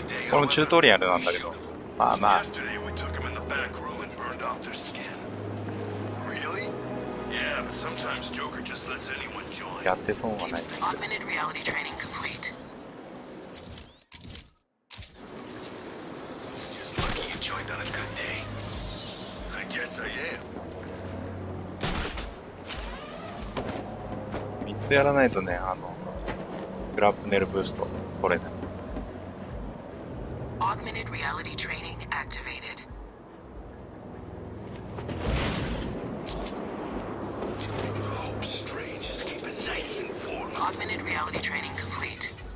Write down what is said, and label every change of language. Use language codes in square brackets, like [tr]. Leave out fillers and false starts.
[ja] これもチュートリアルなんだけど、まあまあ。 [en] Yesterday we took them in the back room and burned off their skin. Really? Yeah, but sometimes Joker just lets anyone join. [ja] やってそうはない。 [en] Augmented reality training complete. Just lucky you joined on a good day. I guess I am. [ja] 3つやらないとね、あのグラップネルブースト取れない。 [en] Augmented reality training activated. Hope Strange is keeping nice and warm. Augmented reality training complete.